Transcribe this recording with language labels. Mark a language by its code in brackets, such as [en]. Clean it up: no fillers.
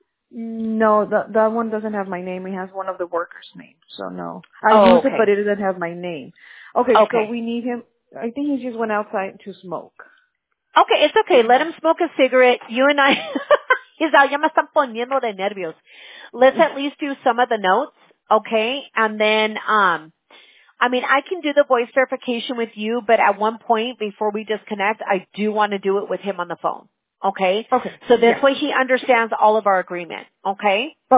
[en] No, that one doesn't have my name. It has one of the workers' names, so no. I use it, but it doesn't have my name. Okay, so we need him. I think he just went outside to smoke. Okay, it's okay. Let him smoke a cigarette. You and I, he's out, [es] ya me están poniendo de nervios. [en] Let's at least do some of the notes, okay? And then, I mean, I can do the voice verification with you, but at one point before we disconnect, I do want to do it with him on the phone, okay? Okay. So this way he understands all of our agreement, okay?